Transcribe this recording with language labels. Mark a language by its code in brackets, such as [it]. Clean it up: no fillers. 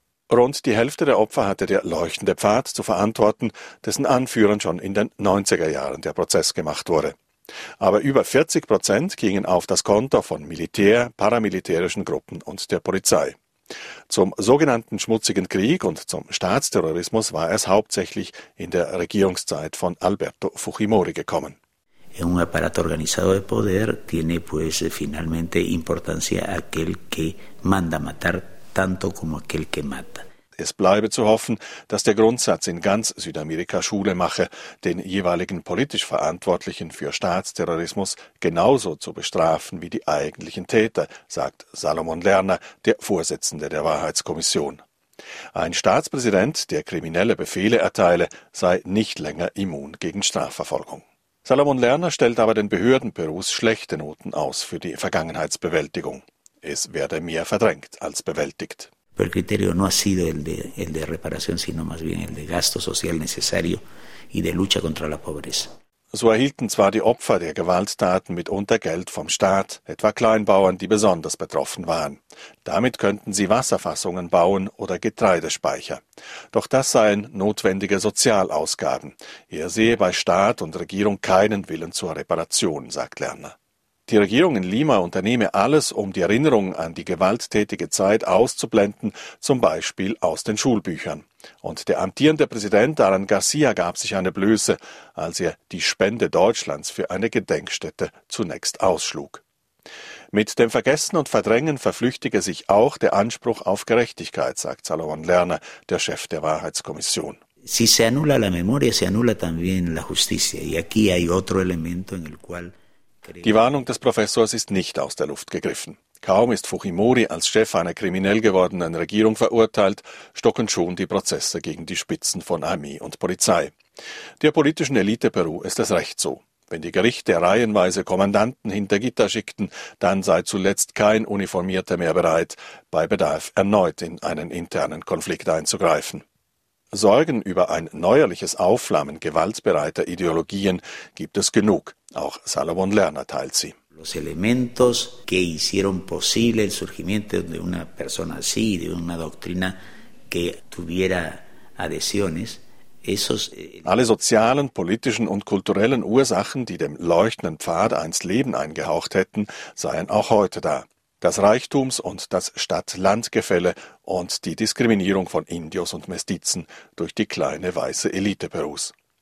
[de] Rund die Hälfte der Opfer hatte der Leuchtende Pfad zu verantworten, dessen Anführern schon in den 90er Jahren der Prozess gemacht wurde. Aber über 40% gingen auf das Konto von Militär, paramilitärischen Gruppen und der Polizei. Zum sogenannten Schmutzigen Krieg und zum Staatsterrorismus war es hauptsächlich in der Regierungszeit von Alberto Fujimori gekommen. [es] Un aparato organizado de poder tiene pues finalmente importancia aquel que manda matar tanto como aquel que mata. [de] Es bleibe zu hoffen, dass der Grundsatz in ganz Südamerika Schule mache, den jeweiligen politisch Verantwortlichen für Staatsterrorismus genauso zu bestrafen wie die eigentlichen Täter, sagt Salomon Lerner, der Vorsitzende der Wahrheitskommission. Ein Staatspräsident, der kriminelle Befehle erteile, sei nicht länger immun gegen Strafverfolgung. Salomon Lerner stellt aber den Behörden Perus schlechte Noten aus für die Vergangenheitsbewältigung. Es werde mehr verdrängt als bewältigt. [es] Pero el criterio no ha sido el de reparación, sino más bien el de gasto social necesario y de lucha contra la pobreza. [de] So erhielten zwar die Opfer der Gewalttaten mitunter Geld vom Staat, etwa Kleinbauern, die besonders betroffen waren. Damit könnten sie Wasserfassungen bauen oder Getreidespeicher. Doch das seien notwendige Sozialausgaben. Er sehe bei Staat und Regierung keinen Willen zur Reparation, sagt Lerner. Die Regierung in Lima unternehme alles, um die Erinnerung an die gewalttätige Zeit auszublenden, zum Beispiel aus den Schulbüchern. Und der amtierende Präsident Aran Garcia gab sich eine Blöße, als er die Spende Deutschlands für eine Gedenkstätte zunächst ausschlug. Mit dem Vergessen und Verdrängen verflüchtige sich auch der Anspruch auf Gerechtigkeit, sagt Salomon Lerner, der Chef der Wahrheitskommission. [es] Si se anula la memoria, se anula también la justicia. Y aquí hay otro elemento en el cual... [de] Die Warnung des Professors ist nicht aus der Luft gegriffen. Kaum ist Fujimori als Chef einer kriminell gewordenen Regierung verurteilt, stocken schon die Prozesse gegen die Spitzen von Armee und Polizei. Der politischen Elite Peru ist es recht so. Wenn die Gerichte reihenweise Kommandanten hinter Gitter schickten, dann sei zuletzt kein Uniformierter mehr bereit, bei Bedarf erneut in einen internen Konflikt einzugreifen. Sorgen über ein neuerliches Aufflammen gewaltbereiter Ideologien gibt es genug. Auch Salomon Lerner teilt sie. [es] Los elementos que hicieron posible el surgimiento de una persona así, de una doctrina que tuviera adhesiones. [de] Alle sozialen, politischen und kulturellen Ursachen, die dem leuchtenden Pfad einst Leben eingehaucht hätten, seien auch heute da. Das Reichtums- und das Stadt-Land-Gefälle und die Diskriminierung von Indios und Mestizen durch die kleine weiße Elite Perus.